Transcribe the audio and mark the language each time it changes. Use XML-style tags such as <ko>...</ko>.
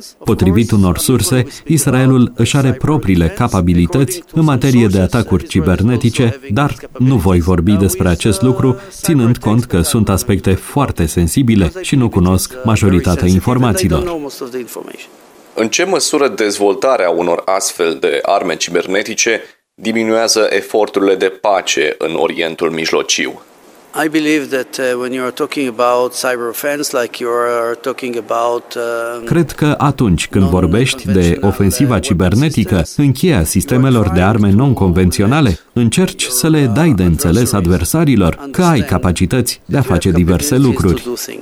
<ro>Potrivit unor surse, Israelul își are propriile capabilități în materie de atacuri cibernetice, dar nu voi vorbi despre acest lucru, ținând cont că sunt aspecte foarte sensibile și nu cunosc majoritatea informațiilor. În ce măsură dezvoltarea unor astfel de arme cibernetice diminuează eforturile de pace în Orientul Mijlociu?</ro> <en>I believe that when you are talking about cyber offense, like you are talking about</en> <ro>cred că atunci când vorbești de ofensiva cibernetică, în cheia sistemelor de arme non-convenționale, încerci să le dai de înțeles adversarilor că ai capacități de a face diverse lucruri.</ro>